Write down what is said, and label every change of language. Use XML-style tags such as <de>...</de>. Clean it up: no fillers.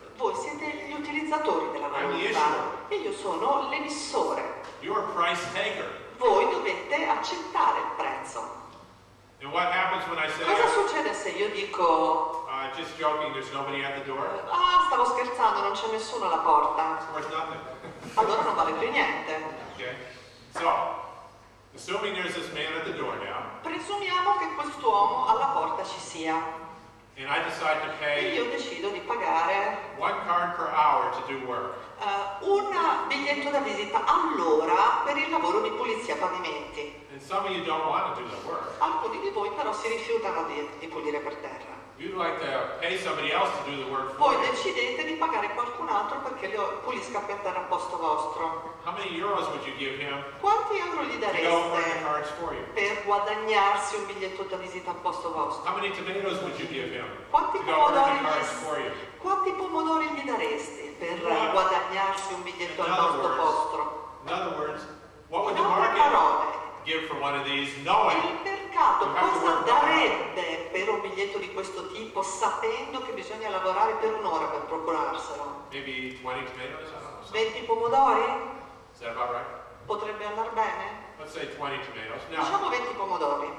<it>Voi siete gli utilizzatori della moneta e io sono l'emissore.</it> <en>You're a price taker.</en> <it>Voi dovete accettare il prezzo.</it> <en>And what happens when I say,</en> <it>cosa succede se io dico</it> <en>just joking, there's nobody at the door?</en> <it>Ah, stavo scherzando, non c'è nessuno alla porta. Allora non vale più niente.</it> <en>Okay. So, assuming there's this man at the door now,</en> <it>presumiamo che quest'uomo alla porta ci sia.</it> <en>And I decide to pay</en> <it>io decido di pagare</it> <en>one card per hour to do work.</en> <it>Un biglietto da visita all'ora per il lavoro di pulizia pavimenti.</it> <en>And some of you don't want to do the work.</en> <it>Alcuni di voi però si rifiutano di pulire per terra.</it> <en>You'd like to pay somebody else to do the work for you.</en> <it>Voi decidete di pagare qualcun altro perché lo pulisca per terra al posto vostro.</it> <en>How many euros would you give him?</en> <it>Quanti euro gli dareste</it> <en>to go over the cards for you?</en> <it>Per guadagnarsi un biglietto da visita al posto vostro?</it> <en>How many tomatoes would you give him?</en> <it>Quanti pomodori gli dareste</it> <en>for you?</en> <it>Quanti pomodori gli dareste per guadagnarsi un biglietto al posto vostro?</it> <en>In other words, what would the market give for one of these knowing?</en> <it>Cosa darebbe per un biglietto di questo tipo sapendo che bisogna lavorare per un'ora per procurarselo?</it> <en>Maybe 20 tomatoes, I don't know,</en> <it>20 pomodori?</it> <en>Is that about right?</en> <it>Potrebbe andare bene?</it> <en>Let's say 20 tomatoes.</en> <it>Now, diciamo 20 pomodori.</it>